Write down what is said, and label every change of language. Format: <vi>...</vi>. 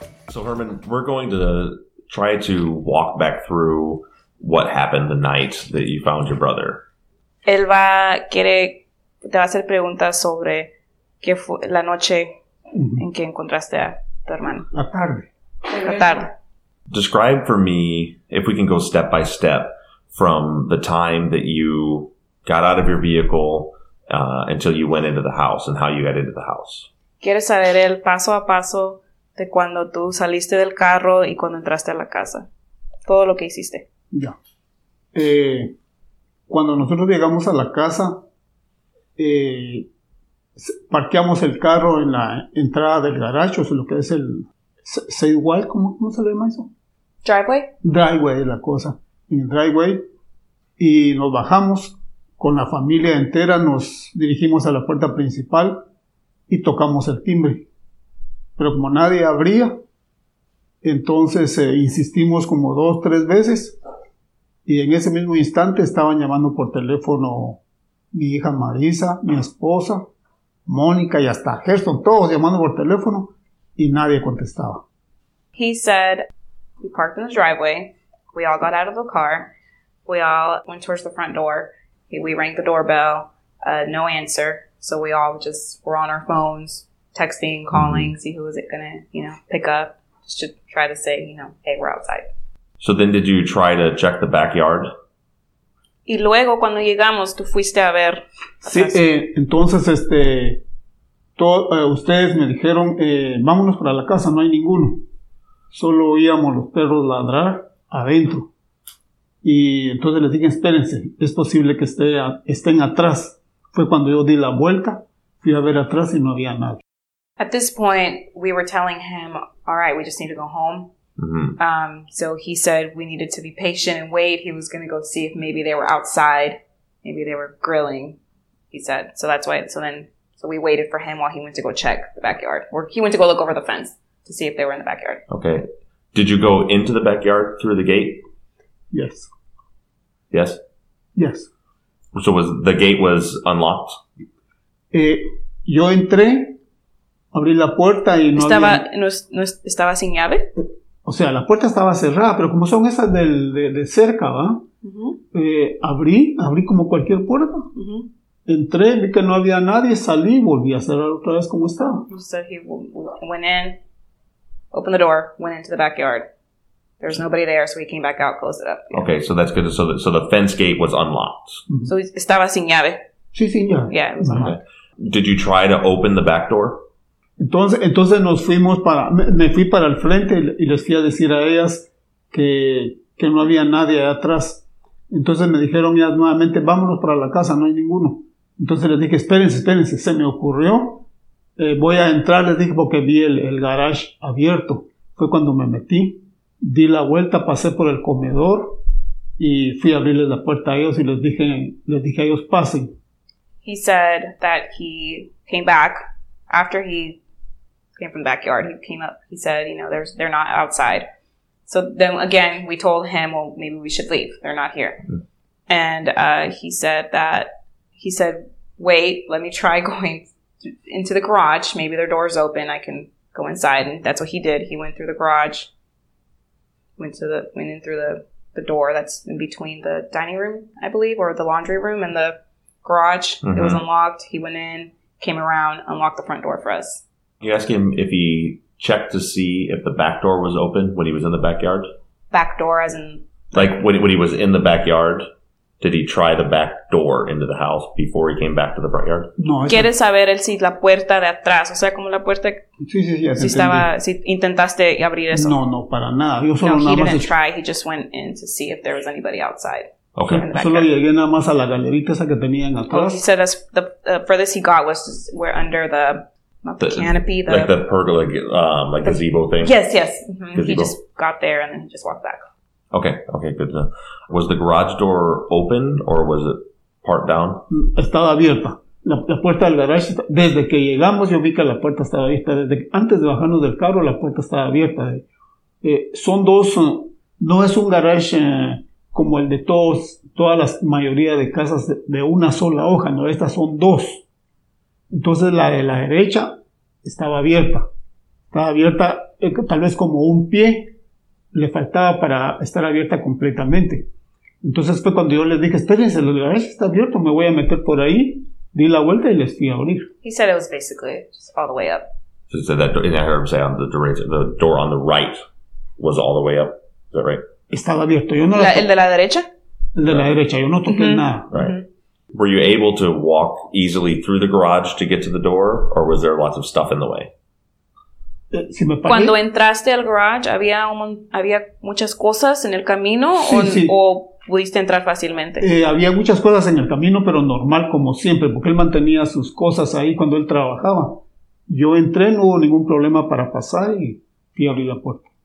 <en>So Herman, we're going to try to walk back through what happened the night that you found your brother.</en> <es>Él va quiere te va a hacer preguntas sobre qué fue la noche en que encontraste a tu hermano. La tarde.</es> <en>Describe for me, if we can go step by step, from the time that you got out of your vehicle until you went into the house and how you got into the house.</en> <es>¿Quieres saber el paso a paso de cuando tú saliste del carro y cuando entraste a la casa? Todo lo que hiciste. Ya. Cuando nosotros llegamos a la casa, parqueamos el carro en la entrada del garage, o sea, lo que es el sidewalk, ¿cómo se le llama eso?</es> <en>Driveway.</en> <es>Driveway, la cosa. En el driveway. Y nos bajamos con la familia entera, nos dirigimos a la puerta principal y tocamos el timbre. Pero como nadie abría, entonces insistimos como 2-3 veces. Y en ese mismo instante estaban llamando por teléfono mi hija Marisa, mi esposa, Mónica y hasta Gerson, todos llamando por teléfono y nadie contestaba.</es> <en>He said, we parked in the driveway, we all got out of the car, we all went towards the front door, we rang the doorbell, no answer, so we all just were on our phones, texting, calling, mm-hmm. see who was it gonna, you know, pick up, just to try to say, you know, hey, we're outside. So then did you try to check the backyard?</en> <es>Y luego, cuando llegamos, tú fuiste a ver. Sí, entonces, ustedes me dijeron, vámonos para la casa, no hay ninguno. Solo oíamos los perros ladrar adentro. Y entonces les dije, espérense, es posible que estén atrás. Fue cuando yo di la vuelta, fui a ver atrás y no había nadie.</es> <en>At this point, we were telling him, all right, we just need to go home. Mm-hmm. So he said we needed to be patient and wait. He was going to go see if maybe they were outside. Maybe they were grilling, he said. So we waited for him while he went to go check the backyard. Or he went to go look over the fence to see if they were in the backyard. Okay. Did you go into the backyard through the gate? Yes. Yes? Yes. So was the gate was unlocked?</en> <es>Yo entré, abrí la puerta y no estaba, había... ¿No estaba sin llave? O sea, la puerta estaba cerrada, pero como son esas de cerca, ¿va? Uh-huh. Abrí como cualquier puerta. Uh-huh. Entré, vi que no había nadie, salí y volví a cerrar otra vez como estaba.</es> <en>So he went in, opened the door, went into the backyard. There was nobody there, so he came back out, closed it up. Yeah. Okay, so that's good. So the fence gate was unlocked. Uh-huh.</en> <es>So estaba sin llave. Sí, sin llave.</es> <en>Yeah, it was unlocked. Okay. Did you try to open the back door?</en> <es>Entonces nos fuimos para, me fui para el frente y les fui a decir a ellas que no había nadie atrás. Entonces me dijeron ya nuevamente, vámonos para la casa, no hay ninguno. Entonces les dije, espérense, se me ocurrió. Voy a entrar, les dije, porque vi el garage abierto. Fue cuando me metí, di la vuelta, pasé por el comedor y fui a abrirles la puerta a ellos y les dije a ellos, pasen.</es> <en>He said that he came back. After he came from the backyard, he came up. He said, you know, they're not outside. So then again, we told him, well, maybe we should leave. They're not here. Mm-hmm. And he said, wait, let me try going into the garage. Maybe their door's open. I can go inside. And that's what he did. He went through the garage, went in through the door that's in between the dining room, I believe, or the laundry room and the garage. Mm-hmm. It was unlocked. He went in. Came around, unlocked the front door for us. You ask him if he checked to see if the back door was open when he was in the backyard? Back door as in... Like when he was in the backyard, did he try the back door into the house before he came back to the front yard? No.</en> <es>¿Quieres saber si la puerta de atrás, o sea, como la puerta... Sí, si estaba, si intentaste abrir eso. No, para nada. Yo solo</es> <en>he didn't try, he just went in to see if there was anybody outside. Okay.</en> <es>Solo llegué nada más a la galerita esa que tenía en atrás.</es> <en>Well, he said the furthest he got was where under the, not the canopy, the... Like the pergola, like the gazebo thing? Yes. Mm-hmm. He just got there and then he just walked back. Okay, good. Was the garage door open or was it part down?</en> <es>Estaba abierta. La puerta del garage, desde que llegamos yo vi que la puerta estaba abierta. Desde antes de bajarnos del carro, la puerta estaba abierta. Son dos, no es un garage... como el de toda la mayoría de casas de una sola hoja, no, estas son dos. Entonces la de la derecha estaba abierta, tal vez como un pie le faltaba para estar abierta completamente. Entonces fue cuando yo les dije, espérense, la derecha está abierta, me voy a meter por ahí, di la vuelta y les fui a abrir.</es> <en>He said it was basically just all the way up. So he said that, and I heard him say on the door on the right was all the way up, is that right?</en> <es>Estaba abierto. Yo no ¿El de la derecha? El de right. la derecha. Yo no toqué mm-hmm. nada.</es> <en>Right. Mm-hmm. Were you able to walk easily through the garage to get to the door, or was there lots of stuff in the way?</en> <es>Si me paré. Cuando entraste al garage, ¿había muchas cosas en el camino? Sí, sí. ¿O pudiste entrar fácilmente? Había muchas cosas en el camino, pero normal como siempre, porque él mantenía sus cosas ahí cuando él trabajaba. Yo entré, no hubo ningún problema para pasar y fui a abrir la puerta.</es>